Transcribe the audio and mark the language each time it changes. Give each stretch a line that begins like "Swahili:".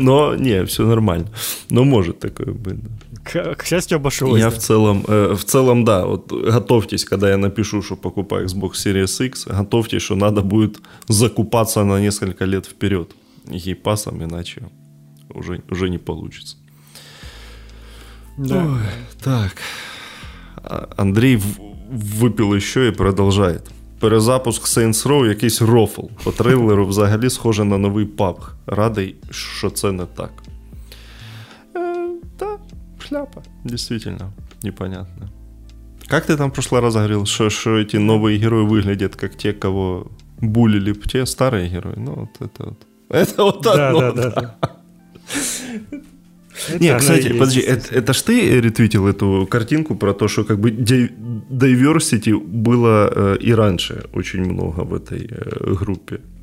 Russian: Но, не, все нормально. Но может такое быть. Да. К счастью, обошлось. Я да. в целом, да, вот готовьтесь, когда я напишу, что покупаю Xbox Series X, готовьтесь, что надо будет закупаться на несколько лет вперед гейпасом, иначе уже не получится. Да. Ой, так, Андрій випив еще и продолжает.
Ukrainian: Перезапуск Saints Row якийсь рофл. По трейлеру взагалі схоже на новий PUBG. Радий, що це не так. Та, шляпа. Дійсно.
Russian: Непонятно. Как ты там в прошлый раз говорил, что эти новые герои выглядят как те, кого булили, те старые герои? Ну, вот это вот. Это вот да, одно, да. Да. Это не, кстати, есть, подожди, это ж ты ретвитил эту картинку про то, что как бы diversity было и раньше очень много в этой группе.